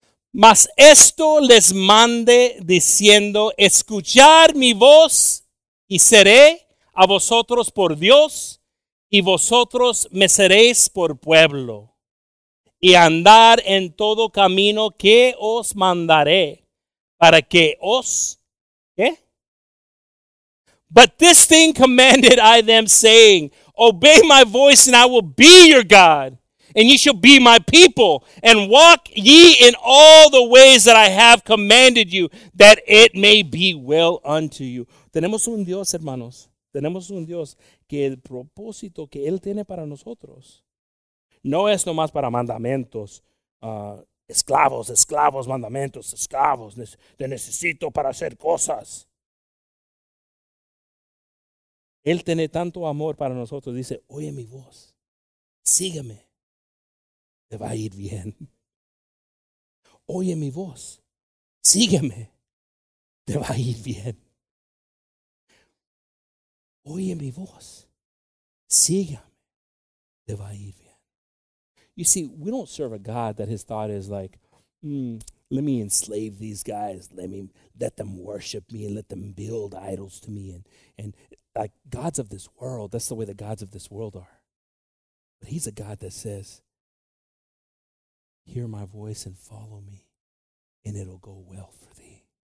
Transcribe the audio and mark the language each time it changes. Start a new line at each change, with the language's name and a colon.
Spanish: Mas esto les mande diciendo, escuchar mi voz y seré a vosotros por Dios y vosotros me seréis por pueblo y andar en todo camino que os mandaré para que os, ¿qué?
English: But this thing commanded I them, saying, obey my voice, and I will be your God, and ye shall be my people, and walk ye in all the ways that I have commanded you, that it may be well unto you.
Spanish: Tenemos un Dios, hermanos. Tenemos un Dios que el propósito que Él tiene para nosotros no es nomás para mandamientos. Esclavos, esclavos, mandamientos, esclavos. Te necesito para hacer cosas. Él tiene tanto amor para nosotros. Dice, oye mi voz. Sígueme. te va a ir bien. Oye mi voz, sígueme, te va a ir bien. Oye mi voz, sígueme, te va a ir bien.
English: You see, we don't serve a God that his thought is like, let me enslave these guys, let them worship me and let them build idols to me. And like gods of this world, that's the way the gods of this world are. But he's a God that says, hear my voice and follow me, and it'll go well for thee.